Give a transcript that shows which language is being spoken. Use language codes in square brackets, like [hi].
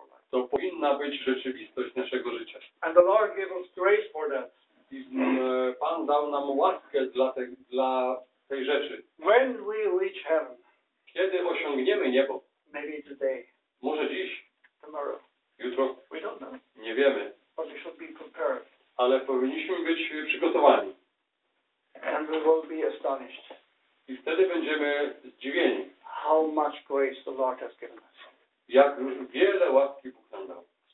[pl] To powinna być rzeczywistość naszego życia. [en] And the Lord gave us grace for that. [pl] I Pan dał nam łaskę dla tej rzeczy. [en] When we reach heaven, [pl] kiedy osiągniemy niebo, [en] maybe today, [pl] może dziś, [en] tomorrow, [pl] jutro, [en] we don't know, [pl] nie wiemy, [en] but we should be prepared. [pl] Ale powinniśmy być przygotowani. [en] And we will be astonished. [pl] I wtedy będziemy zdziwieni. [en] How much grace the Lord has given us. [pl] Jak wiele łaski Bóg nam dał.